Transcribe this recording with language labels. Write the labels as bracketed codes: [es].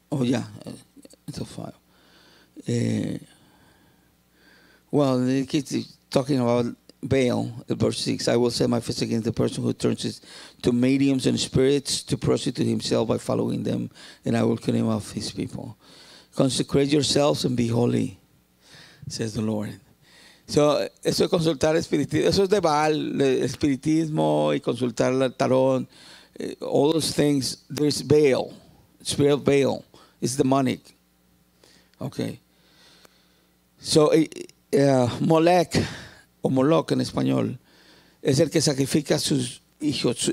[en] Oh, yeah, until 5. It keeps talking about Baal, verse 6. I will set my face against the person who turns to mediums and spirits to prostitute himself by following them, and I will cut him off his people. Consecrate yourselves and be holy, says the Lord. [es] So, eso es consultar espiritismo. Eso es de Baal, espiritismo y consultar el tarot. [en] All those things, there's Baal, spirit of Baal. It's demonic. Okay. [es] So, Molech, o Moloch en español, es el que sacrifica a sus hijos.